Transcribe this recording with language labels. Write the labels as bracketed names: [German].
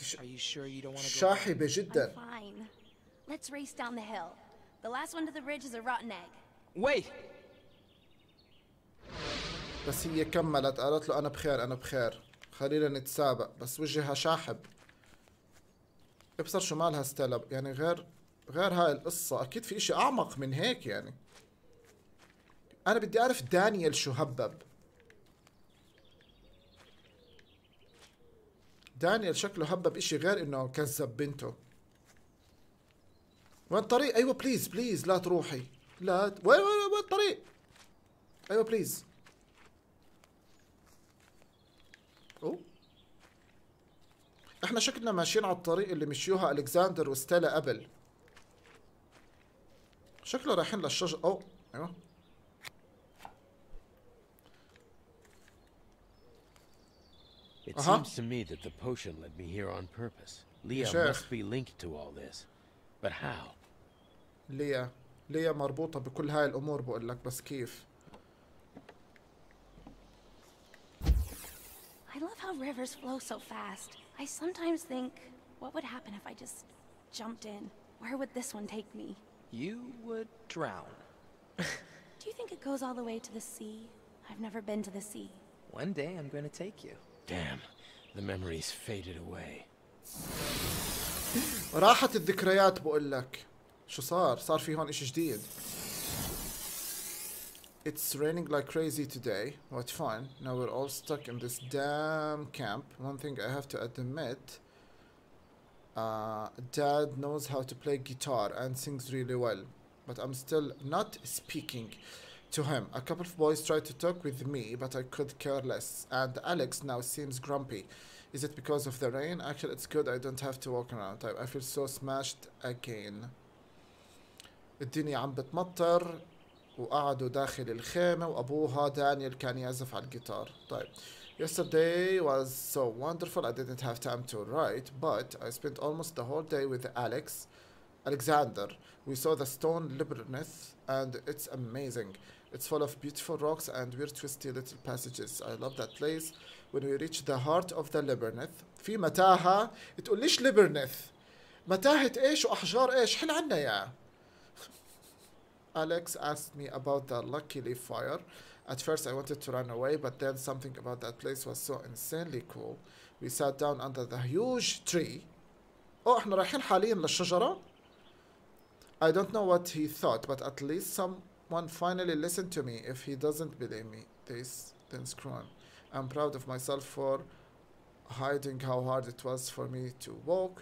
[English] Are you sure you don't want to go? [Arabic] شاحبة جدا. [English] I'm fine. Let's race down the hill. The last one to the ridge is a rotten egg. Wait. [Arabic] بس هي كملت قالت له انا بخير. خلينا نتسابق بس وجهها شاحب. ابصر شو مالها ستيلا يعني غير هاي القصة أكيد في إشي أعمق من هيك يعني. أنا بدي أعرف دانيال شو هبب. دانيال شكله هبب إشي غير إنه كذب بنته. وين الطريق؟ أيوة بليز لا تروحي. لا وين الطريق؟ أيوة بليز. إحنا شكلنا ماشيين على الطريق اللي مشيوها ألكساندر وستيلا قبل. شكله رايحين للشجر. ايوه [English] It seems to me that the potion led me here on purpose. Leah must be linked to all this. But how? Leah [Arabic] ليا مربوطة بكل هاي الأمور بقول لك بس كيف. [English] I love how rivers flow so fast. I sometimes think, what would happen if I just jumped in? Where would this one take me? You would drown. Do you think it goes all the way to the sea? I've never been to the sea. One day I'm going to take you. Damn, the memories faded away. [Arabic] راحت الذكريات بقول لك. شو صار؟ صار في هون إشي جديد. [English] It's raining like crazy today. What fun. Now we're all stuck in this damn camp. One thing I have to admit. Dad knows how to play guitar and sings really well. But I'm still not speaking to him. A couple of boys tried to talk with me, but I could care less. And Alex now seems grumpy. Is it because of the rain? Actually, it's good. I don't have to walk around. I feel so smashed again. [Arabic] الدنيا عم بتمطر وقعدوا داخل الخيمة وأبوها دانيال كان يعزف على الجيتار. طيب. [English] Yesterday was so wonderful. I didn't have time to write, but I spent almost the whole day with Alexander. We saw the stone labyrinth and it's amazing. It's full of beautiful rocks and weird twisty little passages. I love that place. When we reach the heart of the labyrinth, [Arabic] في متاهة. تقول ليش labyrinth؟ متاهة إيش وأحجار إيش؟ حل عنا يا. [English] Alex asked me about the Lucky Leaf Fire. At first I wanted to run away, but then something about that place was so insanely cool. We sat down under the huge tree. [Arabic] Oh, احنا رايحين حاليا للشجرة. [English] I don't know what he thought, but at least someone finally listened to me. If he doesn't believe me, this then screw him. I'm proud of myself for hiding how hard it was for me to walk.